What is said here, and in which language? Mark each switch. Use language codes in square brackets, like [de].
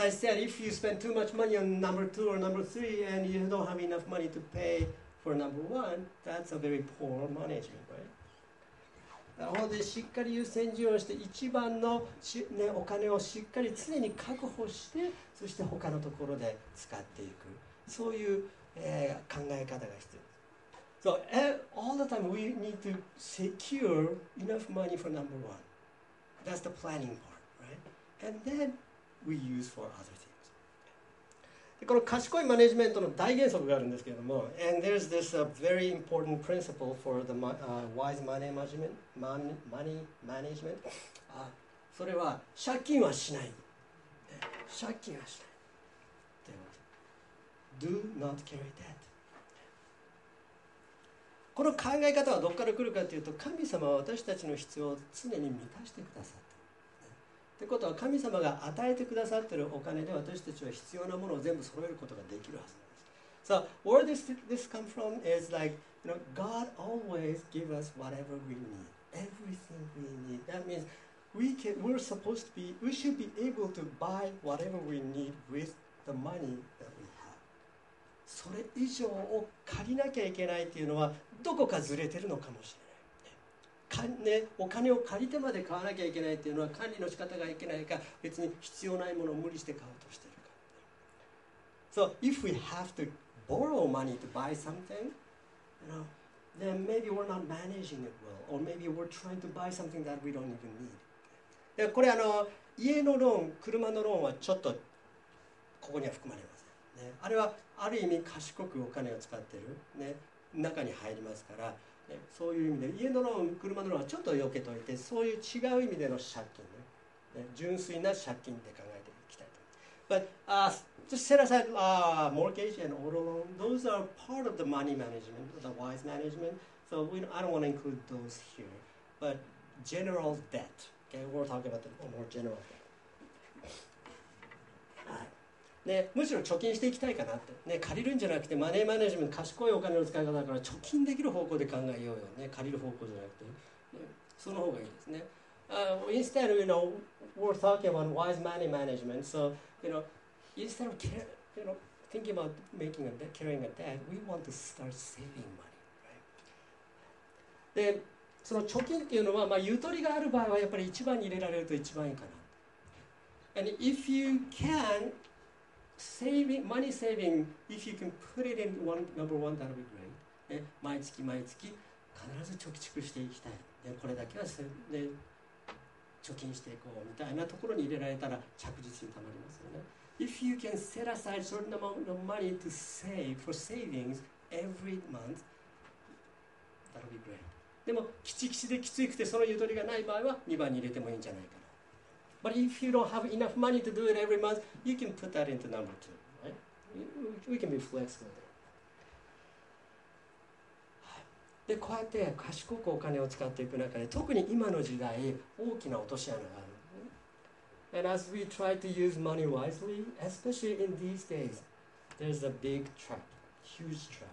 [en] As I said, if you spend too much money on number 2 or number 3 and you don't have enough money to pay for number 1, that's a very poor management, right? [ja] なのでしっかり優先順位をして一番の、ね、お金をしっかり常に確保してそして他のところで使っていくそういう、考え方が必要です。 [en] So all the time we need to secure enough money for number one. That's the planning part, right? And then we use for other things. [ja] でこの賢いマネジメントの大原則があるんですけれども [en] And there's this very important principle for the wise money management. Money management. [ja] それは借金はしない。借金はしない。ということ。 [en] Do not carry debt. [ja] この考え方はどこから来るかというと、神様は私たちの必要を常に満たしてくださっている。ということは、神様が与えてくださっているお金で私たちは必要なものを全部揃えることができるはずなんです。 [en] So, where this come from is like, you know, God always give us whatever we need, everything we need. That means we should be able to buy whatever we need with the money that we have. [ja] それ以上を借りなきゃいけないというのは、どこかずれてるのかもしれない。お金を借りてまで買わなきゃいけないというのは、管理の仕方がいけないか、別に必要ないものを無理して買おうとしているか。 [en] So, if we have to borrow money to buy something, you know, then maybe we're not managing it well, or maybe we're trying to buy something that we don't even need. [ja] これ家のローン、車のローンはちょっとここには含まれません、ね、あれはある意味賢くお金を使っている、ね、中に入りますから、ね、そういう意味で家のローン、車のローンはちょっと避けといて、そういう違う意味での借金、ねね、純粋な借金って考えていきたいと。 [en] But just set aside mortgage and auto loan, those are part of the money management, the wise management, so I don't want to include those here, but general debtOkay, we'll talk about the more general thing. [ja] ね、むしろ貯金していきたいかなって、ね、借りるんじゃなくてマネーマネジメント、賢いお金の使い方だから貯金できる方向で考えようよ、ね、借りる方向じゃなくて、ね、その方がいいですね。 [en] Instead of, you know, we're talking about wise money management, so, you know, instead of care, you know, thinking about making a debt, carrying a debt, we want to start saving money, right? [ja] でその貯金っていうのは、まあ、ゆとりがある場合はやっぱり一番に入れられると一番いいかな。 [en] And if you can, saving, money saving, if you can put it in number one, that'll be great.、 [ja] ね、毎月毎月必ず貯蓄していきたい。でこれだけは、ね、貯金していこうみたいなところに入れられたら着実にたまりますよね。 [en] If you can set aside certain amount of money to save for savings every month, that'll be great. [ja] でもきちきちできついくてそのゆとりがない場合は2番に入れてもいいんじゃないかな。 [en] But if you don't have enough money to do it every month, you can put that into number two, right? We can be flexible there. [ja] で、こうやって賢くお金を使っていく中で、特に今の時代、大きな落とし穴がある。 [en] And as we try to use money wisely, especially in these days, there's a big trap, huge trap.